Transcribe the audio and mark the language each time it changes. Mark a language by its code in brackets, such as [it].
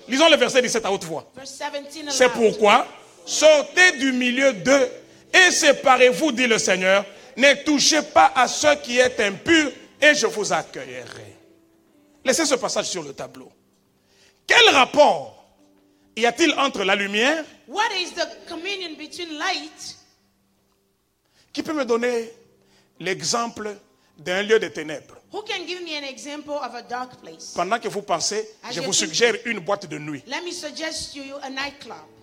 [fr] Lisons le verset 17 à haute voix. C'est pourquoi, sortez du milieu d'eux et séparez-vous, dit le Seigneur. Ne touchez pas à ce qui est impur et je vous accueillerai. Laissez ce passage sur le tableau. Quel rapport y a-t-il entre la lumière? [en] What is the communion between light? [fr] Qui peut me donner l'exemple d'un lieu de ténèbres? [en] Who can give me an example of a dark place? [fr] Pendant que vous pensez, je vous suggère une boîte de nuit. [en] Let me suggest to you a nightclub.